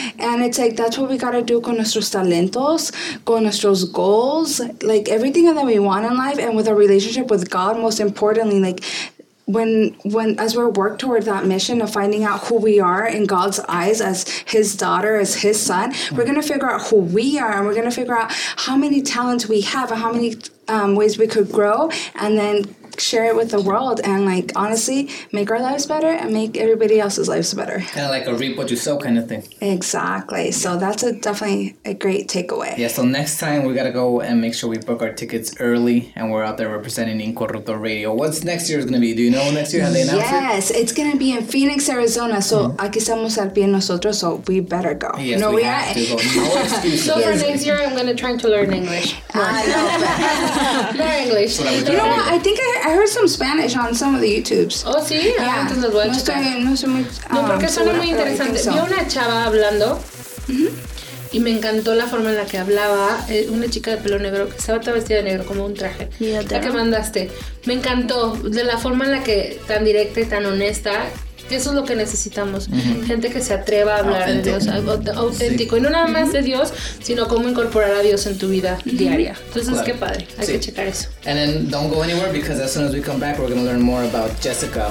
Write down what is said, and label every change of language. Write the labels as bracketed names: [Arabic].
[English] And it's like, that's what we gotta do [Spanish] con nuestros talentos, con nuestros [English] goals, like everything that we want in life, and with our relationship with God, most importantly, like, when as we work toward that mission of finding out who we are in God's eyes as his daughter, as his son, we're going to figure out who we are, and we're going to figure out how many talents we have and how many ways we could grow, and then share it with the world, and like honestly make our lives better and make everybody else's lives better, kind of like a reap what you sow kind of thing. Exactly. So that's definitely a great takeaway. Yeah, so next time we gotta go and make sure we book our tickets early and we're out there representing Incorrupto Radio. What's next year is gonna be, do you know what next year, have they announced? Yes, it's gonna be in Phoenix, Arizona. [Spanish] So aquí estamos al pie nosotros, [English] so we better go. Yes, no, we have to go. No excuses. So for next year I'm gonna try to learn English. I know. Learn English. You know what, I think I heard some Spanish on some of the YouTubes. [Spanish] Oh, sí. Yeah. Entonces los voy a checar. No, porque suena muy interesante. Vi una chava hablando y me encantó la forma en la que hablaba. Una chica de pelo negro que estaba toda vestida de negro, como un traje. La que mandaste. Me encantó de la forma en la que tan directa y tan honesta. Eso es lo que necesitamos. Gente que se atreva a hablar de Dios. Auténtico. Sí. Y no nada más de Dios, sino cómo incorporar a Dios en tu vida diaria. Entonces, qué padre. Hay que checar eso. [English] And then, don't go anywhere, because as soon as we come back, we're going to learn more about Jessica.